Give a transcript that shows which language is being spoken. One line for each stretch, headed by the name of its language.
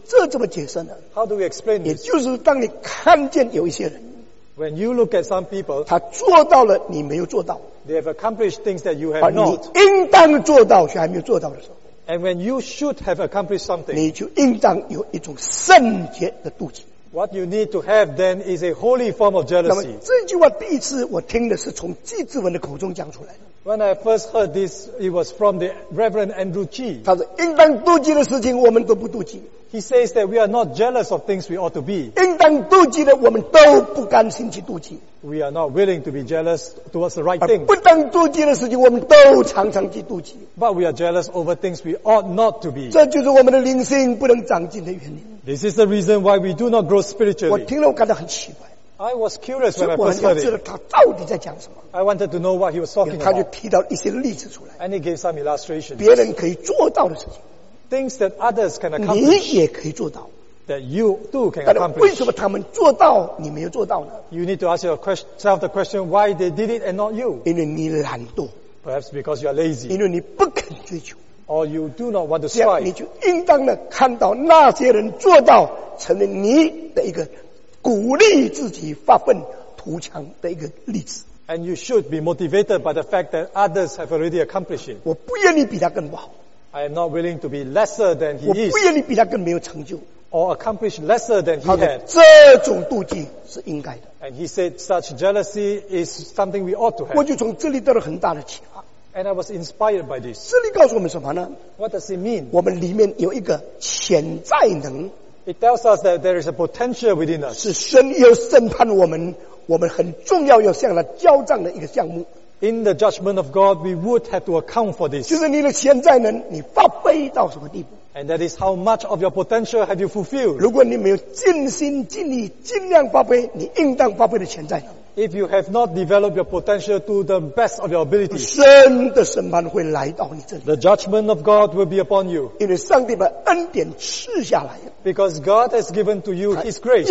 Chinese: 这怎么解释呢
English: ？How do we explain this?
Chinese: 也就是当你看见有一些人
English: ，When you look at some people,
Chinese: 他做到了，你没有做到。
English: They have accomplished things that you have not.
Chinese: 而你应当做到却还没有做到的时候
English: ，And when you should have accomplished something,
Chinese: 你就应当有一种圣洁的妒忌。
English: What you need to have then is a holy form of jealousy.
Chinese: 那么这句话第一次我听的是从纪志文的口中讲出来的。
English: When I first heard this, it was from the Reverend Andrew Chi.
Chinese: 他说应当妒忌的事情我们都不妒忌。
English: He says that we are not jealous of things we ought to be.
Chinese: 应当妒忌的我们都不甘心去妒忌。
English: We are not willing to be jealous towards the right things.
Chinese: 不当妒忌的事情我们都常常去妒忌。
English: But we are jealous over things we ought not to be.
Chinese: 这就是我们的灵性不能长进的原因。
English: This is the reason why we do not grow spiritually.
Chinese: 我听了我感到很奇怪。
English: I was curious when I first heard it.
Chinese: 所以我很想知道他到底在讲什么。
English: I wanted to know what he was talking about.
Chinese: 他就提到一些例子出来。
English: And he gave some illustrations.
Chinese: 别人可以做到的事情。
English: Things that others can accomplish.
Chinese: 你也可以做到。
English: That you too can accomplish.
Chinese: 为什么他们做到你没有做到呢
English: ？You need to ask yourself the question why they did it and not you.
Chinese: 因为你懒惰。
English: Perhaps because you are lazy.
Chinese: 因为你不肯追求。
English: Or you do not want to strive.
Chinese: 你就应当的看到那些人做到，成为你的一个鼓励自己发奋图强的一个例子。
English: And you should be motivated by the fact that others have already accomplished it.
Chinese: 我不愿意比他更不好。
English: I am not willing to be lesser than he is.
Chinese: 我不愿意比他更没有成就。
English: Or accomplish lesser than he had.
Chinese: 这种妒忌是应该的。
English: And he said such jealousy is something we ought to have.
Chinese: 我就从这里得了很大的启发。
English: And I was inspired by this.
Chinese: 这里告诉我们什么呢
English: ？What does it mean?
Chinese: 我们里面有一个潜在能。
English: It tells us that there is a potential within us.
Chinese: 是神要审判我们，我们很重要要向他交账的一个项目。
English: In the judgment of God, we would have to account for this.
Chinese: 就是你的潜在能，你发挥到什么地步
English: ？And that is how much of your potential have you fulfilled?
Chinese: 如果你没有尽心尽力、尽量发挥你应当发挥的潜在能。
English: If you have not developed your potential to the best of your ability,
Chinese: 神的审判会来到你这里。
English: The judgment of God will be upon you.
Chinese: 因为上帝把恩典赐下来。
English: Because God has given to you His grace.